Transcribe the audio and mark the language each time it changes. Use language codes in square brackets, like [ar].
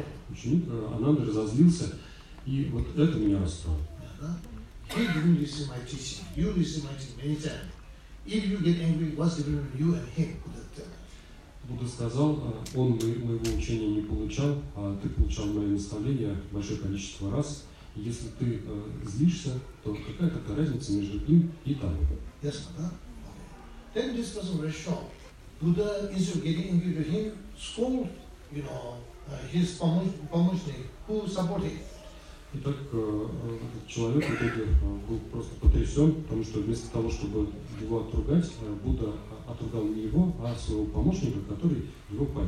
[ru] Ученик Ананда разозлился, и вот это меня расстроило. [en] He didn't listen my teaching. You listen my teaching many times. If you get angry, what's the difference you and him? [ru] Будда сказал, он моего учения не получал, а ты получал мое наставление большое количество раз. Если ты злишься, то какая-то разница между ним и тобой? [en] Yes, да? Okay. Then this person very short. Buddha, instead of getting angry with him, scold, you know, his [ru] помощник, [en] who support him. [ru] Итак, человек в итоге был просто потрясен, потому что вместо того, чтобы его отругать, Будда отругал не его, а своего помощника, который его